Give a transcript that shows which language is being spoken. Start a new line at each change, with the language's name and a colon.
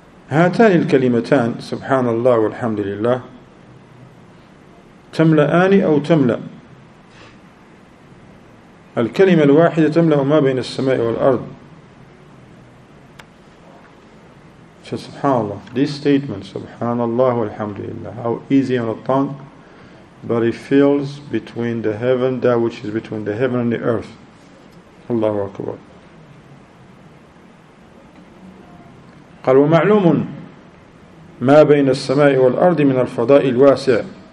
Arabic: هاتان الكلمتان سبحان الله والحمد لله تملأان أو تملأ الكلمة الواحدة تملأ ما بين السماء والأرض. سبحان الله.
English: This statement
Arabic: سبحان الله والحمد لله.
English: How easy on the tongue, but it fills between the heaven, that which is between the heaven and the earth.
Arabic: الله أكبر. قال ومعلوم ما بين السماء والأرض من الفضاء الواسع.